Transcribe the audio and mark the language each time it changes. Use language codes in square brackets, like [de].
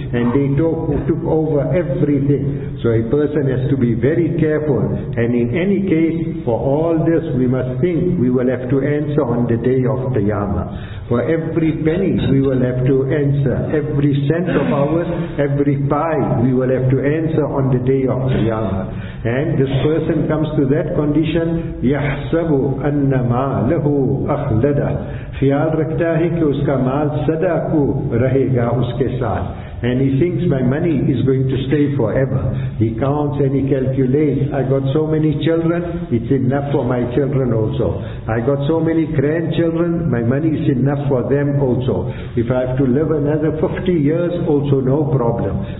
[en] And they took over everything. So a person has to be very careful. And in any case, for all this, we must think we will have to answer on the day of Qiyamah. For every penny, we will have to answer. Every cent of ours, every pie, we will have to answer on the day of Qiyamah. And this person comes to that condition, [ar] يَحْسَبُ أَنَّ مَا لَهُ أَخْلَدَ [ur] خیال رکھتا ہے کہ اس کا مال صدا کو رہے گا اس کے ساتھ. [en] And he thinks my money is going to stay forever. He counts and he calculates. I got so many children, it's enough for my children also. I got so many grandchildren, my money is enough for them also. If I have to live another 50 years, also no problem.